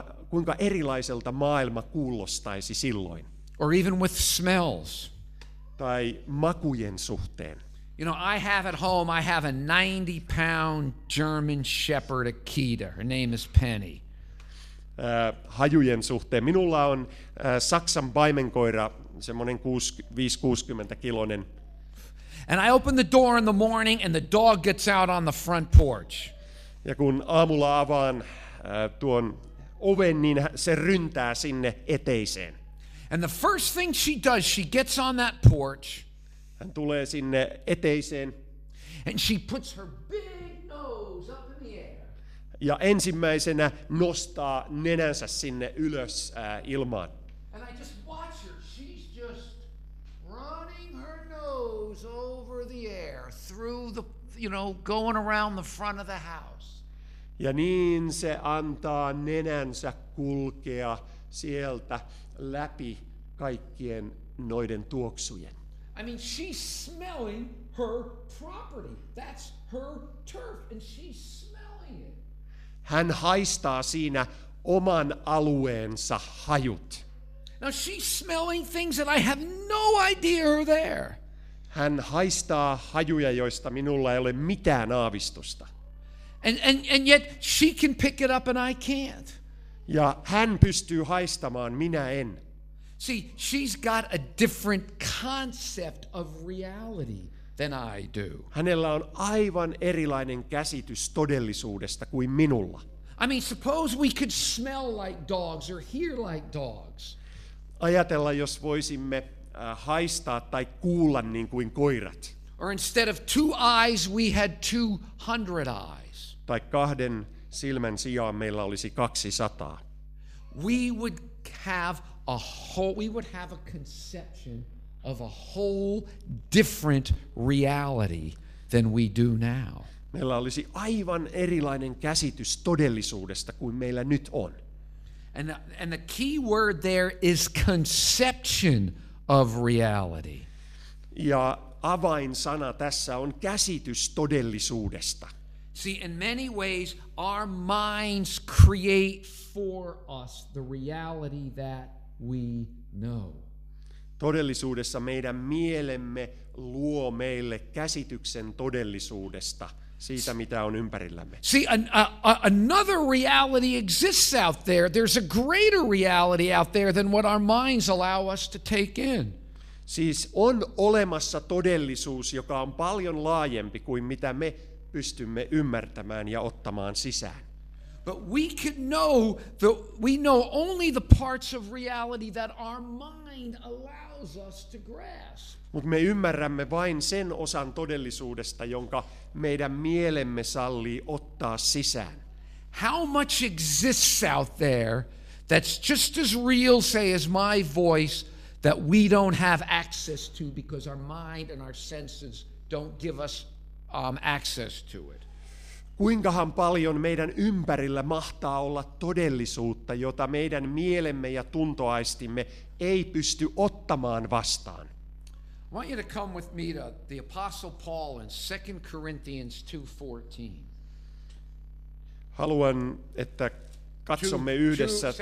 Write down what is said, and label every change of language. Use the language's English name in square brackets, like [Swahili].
[Finnish] Kuinka erilaiselta maailma kuulostaisi silloin? [English] Or even with smells. [Finnish] Tai makujen suhteen. [English] You know, I have at home, I have a 90-pound German Shepherd Akita. Her name is Penny. [Finnish] Hajujen suhteen. Minulla on Saksan paimenkoira, semmoinen 5-60 kiloinen. [English] And I open the door in the morning and the dog gets out on the front porch. [Finnish] Ja kun aamulla avaan tuon oven, niin se ryntää sinne eteiseen. [English] And the first thing she does, she gets on that porch. [Finnish] Hän tulee sinne eteiseen. [English] And she puts her big nose up in the air. [Finnish] Ja ensimmäisenä nostaa nenänsä sinne ylös ilmaan. [English] And I just watch her. She's just running her nose over the air through the, you know, going around the front of the house. [Finnish] Ja niin se antaa nenänsä kulkea sieltä läpi kaikkien noiden tuoksujen. [English] I mean, she's smelling her property. That's her turf, and she's smelling it. [Finnish] Hän haistaa siinä oman alueensa hajut. [English] Now she's smelling things that I have no idea are there. [Finnish] Hän haistaa hajuja, joista minulla ei ole mitään aavistusta. [English] And yet she can pick it up and I can't. [Finnish] Ja hän pystyy haistamaan, minä en. [English] See, she's got a different concept of reality than I do. [Finnish] Hänellä on aivan erilainen käsitys todellisuudesta kuin minulla. [English] I mean, suppose we could smell like dogs or hear like dogs. [Finnish] Ajatella, jos voisimme haistaa tai kuulla niin kuin koirat. [English] Or instead of two eyes, we had 200 eyes. [Finnish] Tai kahden silmän sijaan meillä olisi 200. [English] We would have a conception of a whole different reality than we do now. [Finnish] Meillä olisi aivan erilainen käsitys todellisuudesta kuin meillä nyt on. [English] And the key word there is conception of reality. [Finnish] Ja avainsana tässä on käsitys todellisuudesta. [English] See, in many ways, our minds create for us the reality that we know. [Finnish] Todellisuudessa meidän mielemme luo meille käsityksen todellisuudesta, siitä mitä on ympärillämme. [English] See, another reality exists out there. There's a greater reality out there than what our minds allow us to take in. [Finnish] Siis on olemassa todellisuus, joka on paljon laajempi kuin mitä me pystymme ymmärtämään ja ottamaan sisään. [English] But we can know that we know only the parts of reality that our mind allows us to grasp. [Finnish] Mut me ymmärrämme vain sen osan todellisuudesta, jonka meidän mielemme sallii ottaa sisään. [English] How much exists out there that's just as real, say, as my voice that we don't have access to because our mind and our senses don't give us access to it. [Finnish] Kuinkahan paljon meidän ympärillä mahtaa olla todellisuutta, jota meidän mielemme ja tuntoaistimme ei pysty ottamaan vastaan? [English] I want you to come with me to the Apostle Paul in 2 Corinthians 2:14. [Finnish] Haluan, että katsomme yhdessä.